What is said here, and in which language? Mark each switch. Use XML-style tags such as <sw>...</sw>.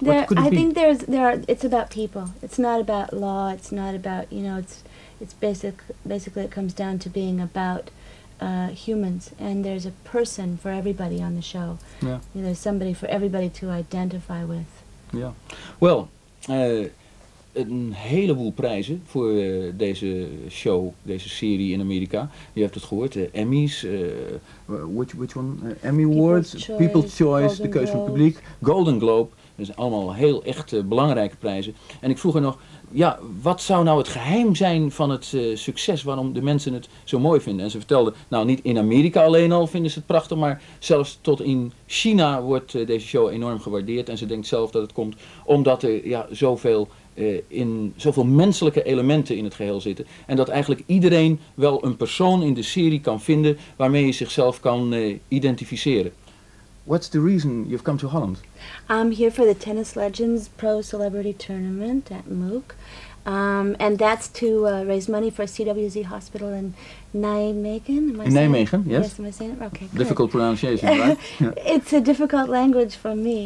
<en>It's about people. It's not about law. It's not about, you know, it's basic. Basically, it comes down to being about humans. And there's a person for everybody on the show. Yeah. You know, there's somebody for everybody to identify with. Yeah. Well,</en> <nl>een heleboel prijzen voor deze show, deze serie in Amerika. Je hebt het gehoord, Emmys,</nl> <en>which one? Emmy Awards, People's Choice,</en> <nl>de keuze van het publiek, Golden Globe. Dat zijn allemaal heel echt belangrijke prijzen. En ik vroeg er nog, ja, wat zou nou het geheim zijn van het succes, waarom de mensen het zo mooi vinden? En ze vertelde, nou, niet in Amerika alleen al vinden ze het prachtig, maar zelfs tot in China wordt deze show enorm gewaardeerd. En ze denkt zelf dat het komt omdat er zoveel menselijke elementen in het geheel zitten. En dat eigenlijk iedereen wel een persoon in de serie kan vinden waarmee je zichzelf kan identificeren.</nl> <en>What's the reason you've come to Holland? I'm here for the Tennis Legends Pro Celebrity Tournament at MOOC. And that's to raise money for CWZ Hospital in Nijmegen. In Nijmegen, yes. Yes, am I saying it? Okay, good. Difficult pronunciation, right? It's a difficult language for me.</en>